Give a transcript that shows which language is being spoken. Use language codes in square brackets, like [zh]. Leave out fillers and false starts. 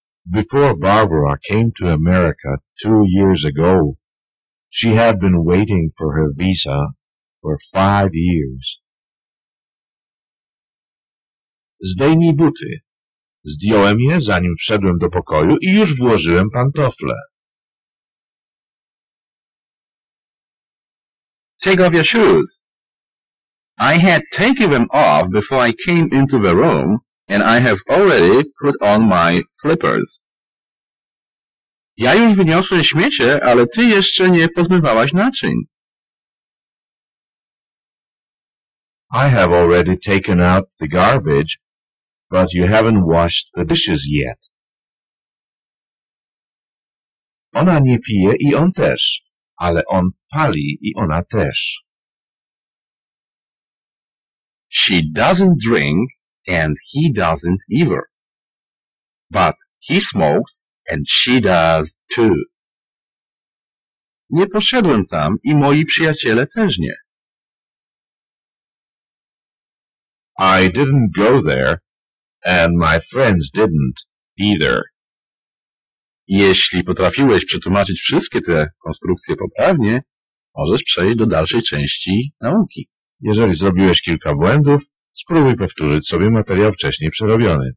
[en] Before Barbara came to America 2 years ago, she had been waiting for her visa for 5 years. [pl] Zdejmij buty. Zdjąłem je, zanim wszedłem do pokoju i już włożyłem pantofle. [en] Take off your shoes. I had taken them off before I came into the room and I have already put on my slippers. [pl] Ja już wyniosłem śmiecie, ale ty jeszcze nie pozmywałaś naczyń. [en] I have already taken out the garbage, but you haven't washed the dishes yet. [pl] Ona nie pije i on też, ale on pali i ona też. [en] She doesn't drink and he doesn't either. But he smokes and she does too. [pl] Nie poszedłem tam i moi przyjaciele też nie. [en] I didn't go there and my friends didn't either. [pl] Jeśli potrafiłeś przetłumaczyć wszystkie te konstrukcje poprawnie, możesz przejść do dalszej części nauki. Jeżeli zrobiłeś kilka błędów, spróbuj powtórzyć sobie materiał wcześniej przerobiony.